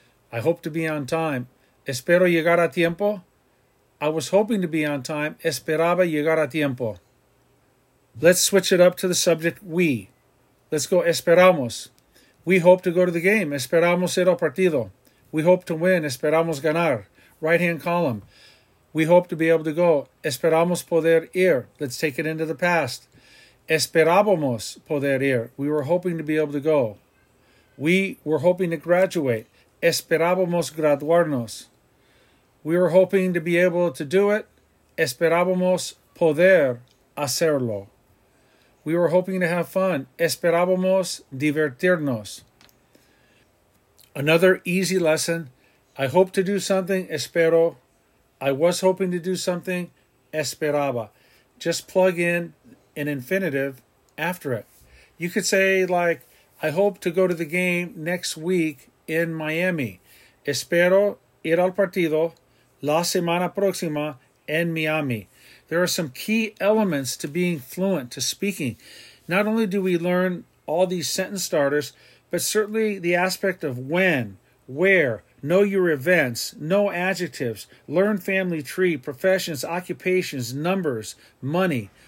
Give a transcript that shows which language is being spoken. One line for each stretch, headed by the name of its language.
English: I hope to be on time,
Spanish: espero llegar a tiempo.
English: I was hoping to be on time,
Spanish: esperaba llegar a tiempo.
English: Let's switch it up to the subject we. Let's go,
Spanish: esperamos.
English: We hope to go to the game.
Spanish: Esperamos ir al partido.
English: We hope to win.
Spanish: Esperamos ganar.
English: Right-hand column. We hope to be able to go.
Spanish: Esperamos poder ir.
English: Let's take it into the past.
Spanish: Esperábamos poder ir.
English: We were hoping to be able to go. We were hoping to graduate.
Spanish: Esperábamos graduarnos.
English: We were hoping to be able to do it.
Spanish: Esperábamos poder hacerlo.
English: We were hoping to have fun.
Spanish: Esperábamos divertirnos.
English: Another easy lesson. I hope to do something.
Spanish: Espero.
English: I was hoping to do something.
Spanish: Esperaba.
English: Just plug in an infinitive after it. You could say like, I hope to go to the game next week in Miami.
Spanish: Espero ir al partido la semana próxima en Miami.
English: There are some key elements to being fluent, to speaking. Not only do we learn all these sentence starters, but certainly the aspect of when, where, know your events, know adjectives, learn family tree, professions, occupations, numbers, money,